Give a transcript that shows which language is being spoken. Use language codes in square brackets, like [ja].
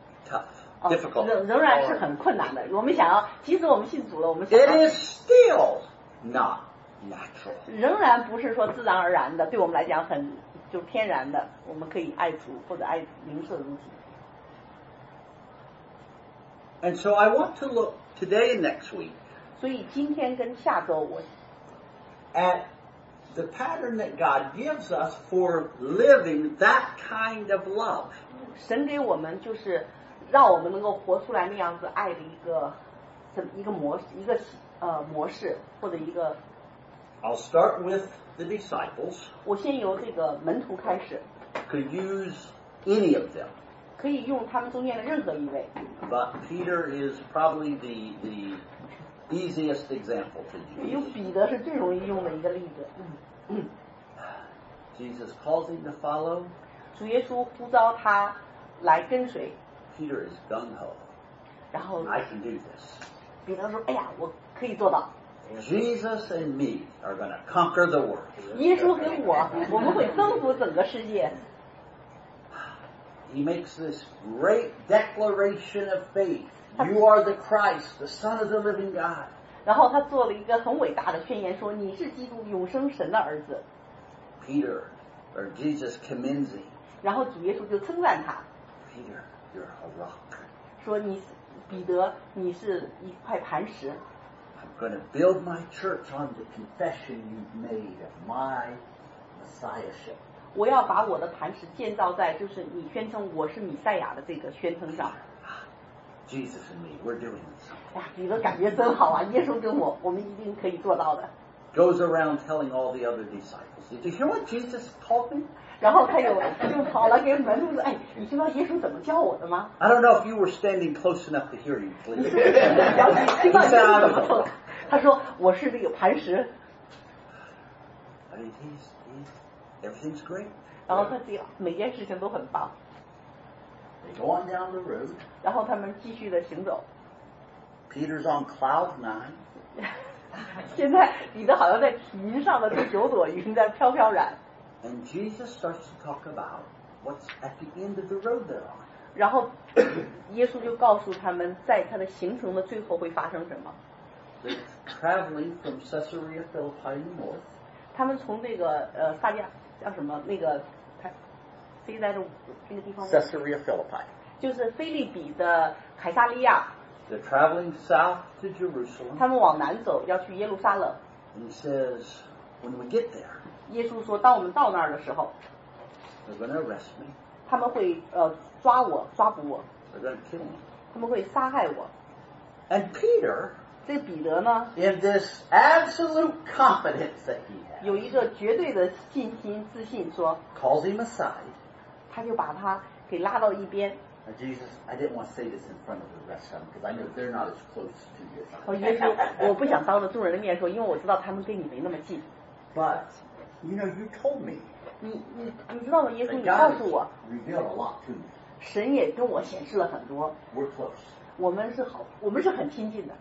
[en] Tough. Difficult. [zh] 仍然是很困难的。我们想要，即使我们信主了，我们 [en] It is still not natural. [zh] 仍然不是说自然而然的，对我们来讲很就天然的，我们可以爱主或者爱邻舍如己。 [en] And so I want to look today and next week. [zh] 所以今天跟下周我 [en] at the pattern that God gives us for living that kind of love. [zh] 神给我们就是。让我们能够活出来那样子爱的一个模式模式或者一个。 [en] I'll start with the disciples. [zh] 我先由这个门徒开始。 [en] Could use any of them. [zh] 可以用他们中间的任何一位。 [en] But Peter is probably the easiest example to use. [zh] 用彼得是最容易用的一个例子。 [en] Jesus calls him to follow. [zh] 主耶稣呼召他来跟随。 [en] Peter is gung-ho. [zh] 然后 [en] I can do this. [zh] 彼得说哎呀我可以做到。 [en] Jesus and me are going to conquer the world. [zh] 耶稣跟我我们会征服整个世界。 [en] He makes this great declaration of faith. You are the Christ, the Son of the living God. [zh] 然后他做了一个很伟大的宣言说你是基督永生神的儿子。 [en] Peter, or Jesus commends him. [zh] 然后主耶稣就称赞他。 [en] Peter. You're a rock. [zh] 说你彼得你是一块磐石。 [en] I'm going to build my church on the confession you've made of my messiahship. [zh] 我要把我的磐石建造在就是你宣称我是弥赛亚的这个宣称上。 [en] Jesus and me, we're doing this. [zh] 彼得感觉真好啊，耶稣跟我，我们一定可以做到的。 [en] Goes around telling all the other disciples. Did you hear what Jesus told me? [zh] 然后他就跑来给门徒说：“哎，你知道耶稣怎么教我的吗？” [en] I don't know if you were standing close enough to hear you. [zh] 你是不是了解听到耶稣怎么说？他说：“我是那个磐石。” [en] I mean, he's everything's great. [zh] 然后他这个每件事情都很棒。 [en] They go on down the road. [zh] 然后他们继续的行走。 [en] Peter's on cloud nine. [zh] 现在彼得好像在云上的第九朵云在飘飘然。 [en] And Jesus starts to talk about what's at the end of the road they're on. [zh] 然后耶稣就告诉他们在他的行程的最后会发生什么。 [en] They're traveling from Caesarea Philippi north. [zh] 他们从那个撒迦叫什么那个他飞在的那个地方。 [en] Caesarea Philippi. [zh] 就是菲利比的凯撒利亚。 [en] They're traveling south to Jerusalem. [zh] 他们往南走要去耶路撒冷。 [en] And he says, when we get there, [zh] 耶稣说当我们到那儿的时候 [en] they're going to arrest me. [zh] 他们会抓我抓捕我。 [en] They're going to kill me. [zh] 他们会杀害我。 [en] And Peter, [zh] 这彼得呢 [en] in this absolute confidence that he has, [zh] 有一个绝对的信心自信说 [en] calls him aside. [zh] 他就把他给拉到一边。 [en] Jesus, I didn't want to say this in front of the rest of them because I know they're not as close to you as I am. [zh] 耶稣，我不想当着众人的面说，因为我知道他们跟你没那么近。 [en] But you know, you told me. [zh] 你知道吗，耶稣？你告诉我。 [en] Revealed a lot to me. [zh] 神也跟我显示了很多。 [en] We're close. [zh] 我们是好，我们是很亲近的。